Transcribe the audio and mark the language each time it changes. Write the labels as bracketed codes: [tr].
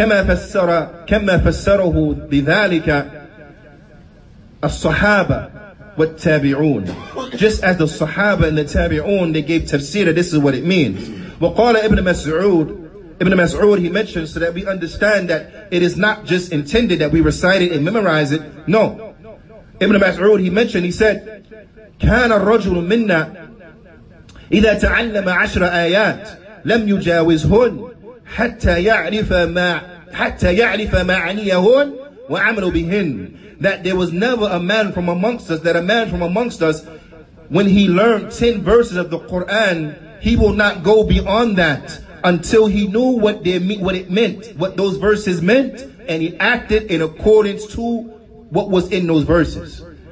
[ar] كَمَا فَسَّرَهُ بِذَلِكَ الصَّحَابَ وَالتَّابِعُونَ, [en] just as the Sahaba and the Tabi'un, they gave tafsir, this is what it means. وَقَالَ Ibn Mas'ud, Ibn Mas'ud, he mentions so that we understand that it is not just intended that we recite it and memorize it. No. [ar] Ibn Mas'ud, [en] he mentioned, he said, [ar] كان الرجل منا إذا تعلم عشر آيات لم يجاوزهن حتى يعرف معانيهن وعمل بهن. [en] That there was never a man from amongst us, that a man from amongst us, when he learned 10 verses of the Quran, he will not go beyond that until he knew what it meant, what those verses meant, and he acted in accordance to what was in those verses.